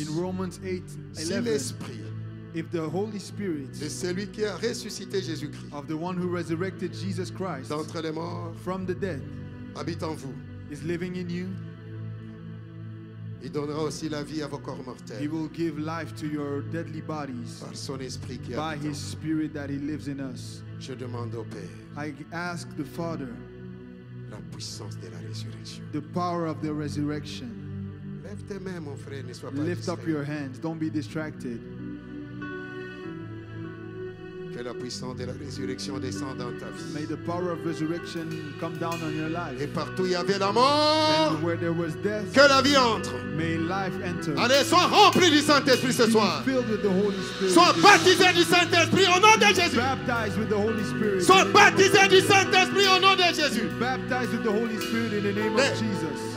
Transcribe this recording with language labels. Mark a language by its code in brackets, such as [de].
[en] In Romans 8, 11. [fr] Si l'Esprit. [en] If the Holy Spirit. [fr] De celui qui a ressuscité Jésus-Christ. [en] Of the one who resurrected Jesus Christ. [fr] D'entre les morts. [en] From the dead. [fr] Habite en vous. [en] Is living in you. [fr] Il donnera aussi la vie à vos corps mortels. [en] He will give life to your deadly bodies. [fr] Par son esprit qui habite en vous. [en] By his spirit that he lives in us. [fr] Je demande au Père. [en] I ask the Father. [fr] La puissance de la résurrection. [en] The power of the resurrection. [fr] Lève tes mains, mon frère, ne sois pas distrait. [en] Lift up your hands. Don't be distracted. [fr] Que la puissance de la résurrection descende dans ta vie. [en] May the power of resurrection come down on your life. [fr] Et partout il y avait la mort. [en] And where there was death. [fr] Que la vie entre. [en] May life enter. [fr] Allez, sois rempli du Saint-Esprit ce soir. [en] Be filled with the Holy Spirit. [fr] Sois baptisé du Saint-Esprit au nom de Jésus. [en] Baptized with the Holy Spirit. [fr] Sois baptisé du Saint-Esprit au nom de Jésus. [en] Be baptized with the Holy Spirit in the name of Jesus.